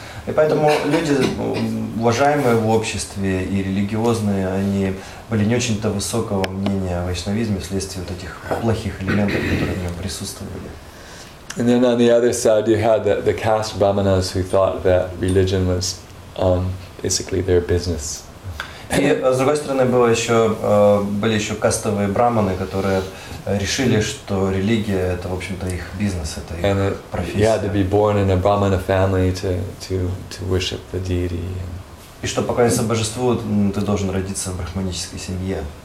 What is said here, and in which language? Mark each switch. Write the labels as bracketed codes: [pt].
[ru] И поэтому люди, уважаемые в обществе и религиозные, они были не очень-то высокого мнения о вайшнавизме вследствие вот этих плохих элементов, которые в нем присутствовали. [en] And then on the other side, you had the caste brahmanas who thought that religion was basically their business. [ru] И с другой стороны были еще кастовые брахманы, которые решили, что религия — это, в общем-то, их бизнес, это их профессия. [en] You had to be born in a brahmana family to worship the deity. [ru] И что поклоняться божеству, ты должен родиться в брахманической семье.